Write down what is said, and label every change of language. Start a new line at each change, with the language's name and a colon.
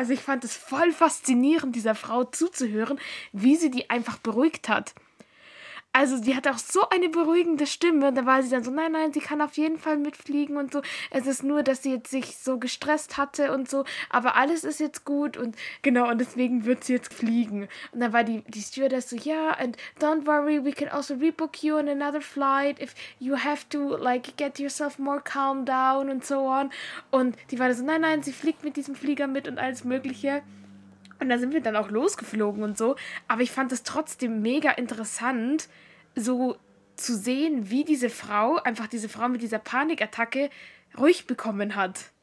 German: Also ich fand es voll faszinierend, dieser Frau zuzuhören, wie sie die einfach beruhigt hat. Also die hat auch so eine beruhigende Stimme. Und da war sie dann so, nein, nein, sie kann auf jeden Fall mitfliegen und so. Es ist nur, dass sie jetzt sich so gestresst hatte und so. Aber alles ist jetzt gut und genau, und deswegen wird sie jetzt fliegen. Und dann war die Stewardess so, ja,
English: yeah, and don't worry, we can also rebook you on another flight if you have to, like, get yourself more calm down und so on.
German: Und die war dann so, nein, nein, sie fliegt mit diesem Flieger mit und alles Mögliche. Und da sind wir dann auch losgeflogen und so. Aber ich fand es trotzdem mega interessant, so zu sehen, wie diese Frau, einfach diese Frau mit dieser Panikattacke, ruhig bekommen hat.